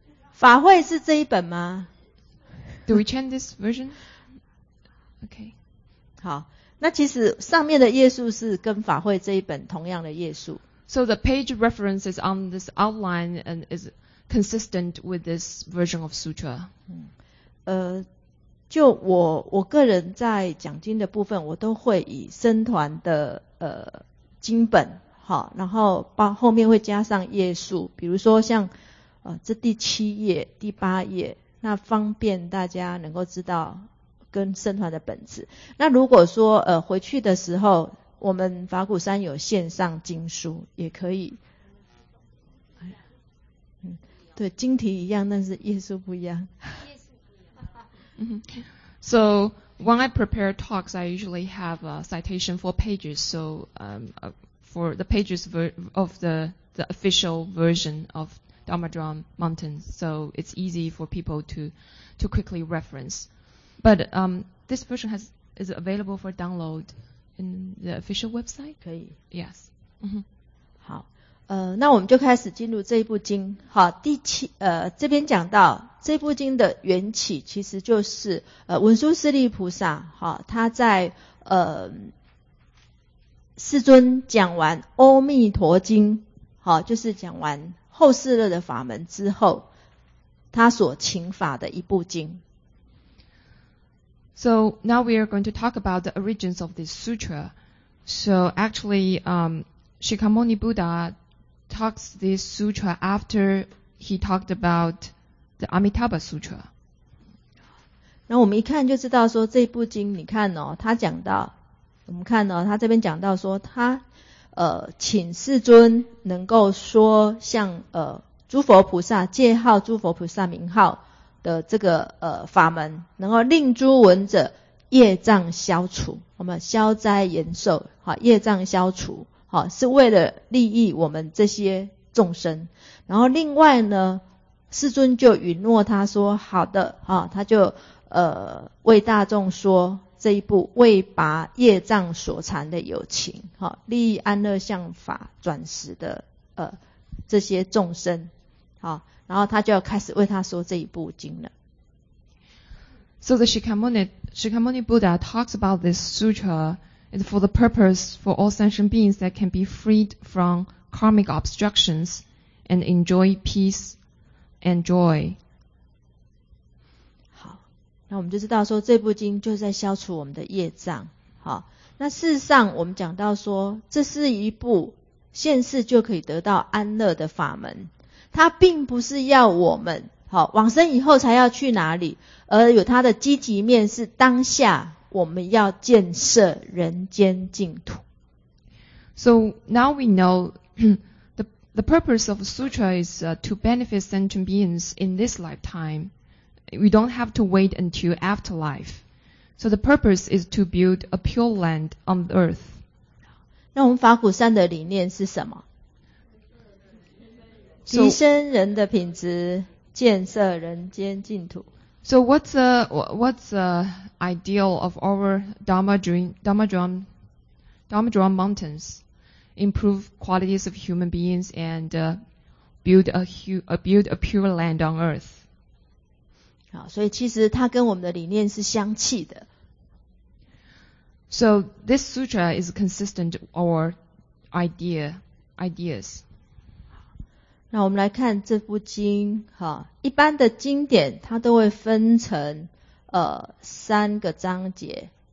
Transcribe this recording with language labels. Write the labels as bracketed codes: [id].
[zh] 法会是这一本吗 [en] ？Do we change this version? Okay. [zh] 好，那其实上面的页数是跟法会这一本同样的页数。 [en] So the page reference is on this outline and is consistent with this version of sutra. [zh] 就我个人在讲经的部分，我都会以僧团的经本，好，然后后面会加上页数，比如说像这第七页、第八页，那方便大家能够知道跟僧团的本质。那如果说回去的时候，我们法鼓山有线上经书也可以，对，经题一样，但是页数不一样。 [en] Mm-hmm. So when I prepare talks, I usually have a citation for pages. So for the pages of the official version of Dharmadrome Mountain, so it's easy for people to quickly reference. But this version is available for download in the official website? [zh] 可以。 [en] Yes. [zh] Mm-hmm. 好，那我们就开始进入这一部经。好，第七，这边讲到这部经的缘起，其实就是文殊师利菩萨，好，他在世尊讲完《阿弥陀经》，好，就是讲完后世乐的法门之后，他所请法的一部经。 [en] So now we are going to talk about the origins of this sutra. So actually, Shikamoni Buddha talks this sutra after he talked about the Amitabha Sutra. [zh] 那我们一看就知道说这部经，你看哦，他讲到，我们看哦，他这边讲到说他请世尊能够说像诸佛菩萨借号诸佛菩萨名号的这个法门，能够令诸闻者业障消除，我们消灾延寿，好，业障消除，好，是为了利益我们这些众生。然后另外呢，世尊就允诺他说好的，好，他就为大众说这一部为拔业障所缠的有情，好，利益安乐相法转时的这些众生，好，然后他就要开始为他说这一部经了。 [en] So the Shikamoni Buddha talks about this sutra is for the purpose for all sentient beings that can be freed from karmic obstructions and enjoy peace and joy. [zh] 好，那我们就知道说这部经就是在消除我们的业障。好，那事实上我们讲到说这是一部现世就可以得到安乐的法门，它并不是要我们好往生以后才要去哪里，而有它的积极面是当下我们要建设人间净土。 [en] So now we know the purpose of sutra is to benefit sentient beings in this lifetime. We don't have to wait until afterlife. So the purpose is to build a pure land on earth. [zh] 那我们法鼓山的理念是什么？提升人的品质，建设人间净土。 [en] So what's the ideal of our Dhammadrum mountains? Improve qualities of human beings and build a pure land on earth. [zh] 好，所以其实它跟我们的理念是相契的。 [en] So this sutra is consistent with our ideas. [zh] 那我们来看这部经，好，一般的经典它都会分成三个章节。